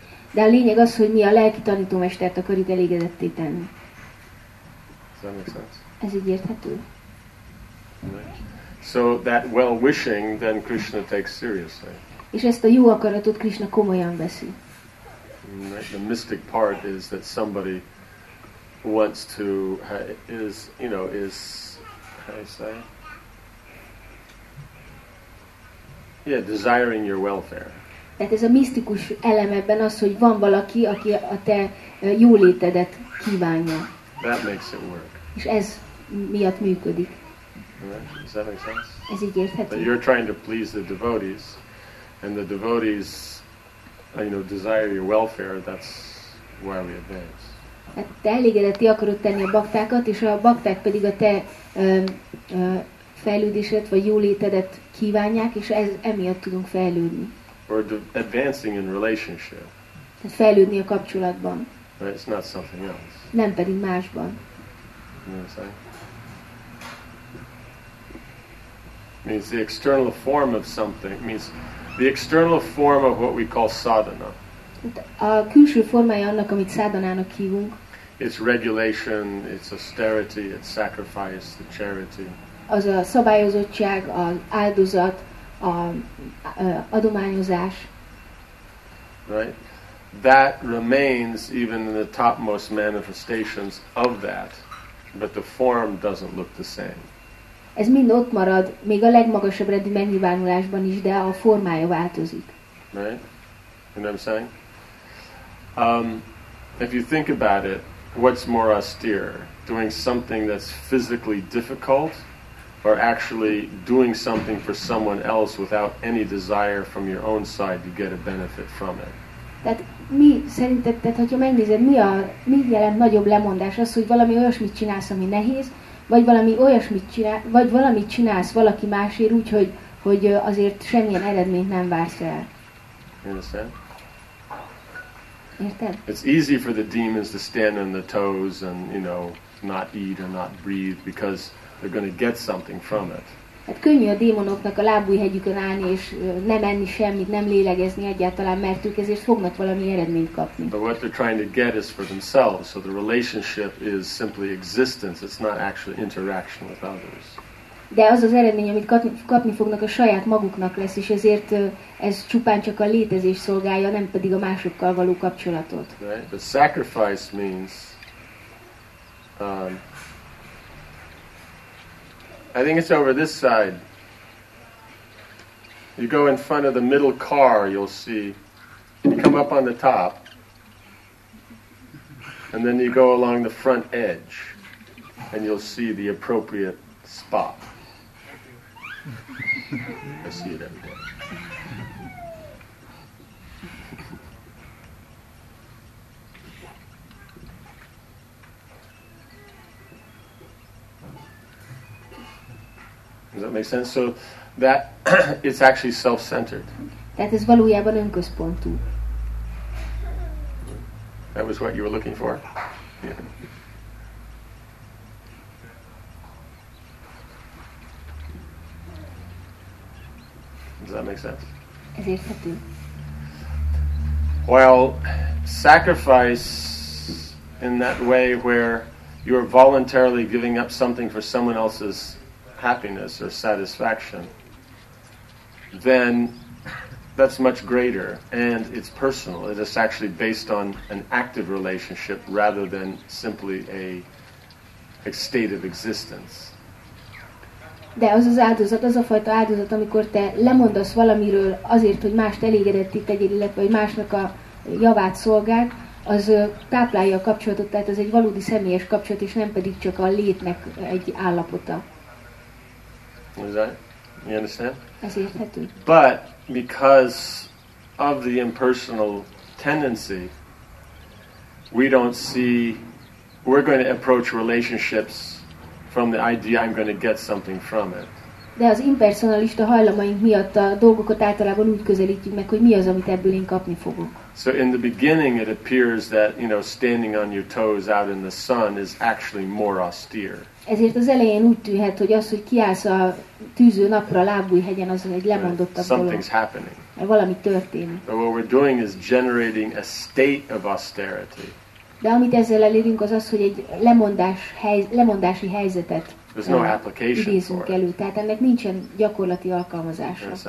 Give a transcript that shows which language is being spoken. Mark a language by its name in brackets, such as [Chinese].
[Hungarian] De a lényeg az, hogy mi a lelki tanítómestert akarjuk elégedetté tenni. Ez így érthető? [English] So that well wishing then Krishna takes seriously. [Hungarian] És ezt a jó akaratot Krishna komolyan veszi. [English] The mystic part is that somebody wants to is, you know, is, how do you say? Yeah, desiring your welfare. [Hungarian] Tehát ez a misztikus elem ebben az, hogy van valaki, aki a te jólétedet kívánja. [English] That makes it work. [Hungarian] És ez miatt működik. [English] Does that make sense? [Hungarian] Ez így érthető. [English] But you're trying to please the devotees, and the devotees, you know, desire your welfare, that's why we advance. [Hungarian] Hát te elégedetté akarod tenni a baktákat, és a bakták pedig a te fejlődésed, vagy jólétedet kívánják, és ez emiatt tudunk fejlődni. [English] Or advancing in relationship. [Hungarian] Tehát fejlődni a kapcsolatban. [English] But it's not something else. [Hungarian] Nem pedig másban. [English] You know, means the external form of something, means the external form of what we call sadhana. [Hungarian] A külső formája annak, amit sadhanának hívunk. [English] It's regulation, it's austerity, it's sacrifice, the charity. [Hungarian] Az a szabályozottság, az áldozat, a adományozás. [English] Right? That remains even in the topmost manifestations of that, but the form doesn't look the same. [Hungarian] Ez mind ott marad, még a legmagasabb rendű megnyilvánulásban is, de a formája változik. [English] Right? You know what I'm saying? If you think about it, what's more austere? Doing something that's physically difficult or actually doing something for someone else without any desire from your own side to get a benefit from it? [Hungarian] Tehát mi szerinted, tehát hogyha megnézed, mi jelent nagyobb lemondás? Az, hogy valami olyasmit csinálsz, ami nehéz, vagy valami olyasmit csinál, vagy valamit csinálsz valaki másért úgy, hogy azért semmilyen eredményt nem vársz el. [English] Understand? [Hungarian] Érted? [English] It's easy for the demons to stand on the toes and, you know, not eat or not breathe because they're going to get something from it. [Hungarian] Hát könnyű a démonoknak a lábujjhegyükön állni és nem enni semmit, nem lélegezni egyáltalán, mert ők ezért fognak valami eredményt kapni. [English] But what they're trying to get is for themselves, so the relationship is simply existence, it's not actually interaction with others. [Hungarian] De az az eredmény, amit kapni fognak, a saját maguknak lesz, és ezért ez csupán csak a létezés szolgálja, nem pedig a másokkal való kapcsolatot. [English] Right? But sacrifice means... I think it's over this side. You go in front of the middle car, you'll see. You come up on the top. And then you go along the front edge. And you'll see the appropriate spot. I see it every day. Does that make sense? So that it's actually self-centered. That is [Hungarian] valójában önközpontú. [English] That was what you were looking for. Does that make sense? [Hungarian] Ez érthető. [English] Well, sacrifice in that way where you are voluntarily giving up something for someone else's happiness or satisfaction, then that's much greater and it's personal. It is actually based on an active relationship rather than simply a state of existence. [Hungarian] De az az áldozat, az a fajta áldozat, amikor te lemondasz valamiről azért, hogy mást elégedetté tegyél, illetve hogy másnak a javát szolgáld, az táplálja a kapcsolatot, tehát az egy valódi személyes kapcsolat, és nem pedig csak a létnek egy állapota. [English] Is that? You understand? [Hungarian] Ez érthető. [English] But because of the impersonal tendency, we don't see, we're going to approach relationships from the idea I'm going to get something from it. [Hungarian] de az impersonalista hajlamaink miatt a dolgokat általában úgy közelítjük meg, hogy mi az, amit ebből én kapni fogok. [English] So in the beginning it appears that, you know, standing on your toes out in the sun is actually more austere. [Hungarian] Ezért az elején úgy tűnhet, hogy az, hogy kiállsz a tűző napra a lábújhegyen, az egy lemondottabb [English] dolog. Something's happening. [Hungarian] Valami történik. [English] But what we're doing is generating a state of austerity. [Hungarian] De amit ezzel elérünk, az az, hogy egy lemondási helyzetet idézünk elő. Tehát ennek nincsen gyakorlati alkalmazása.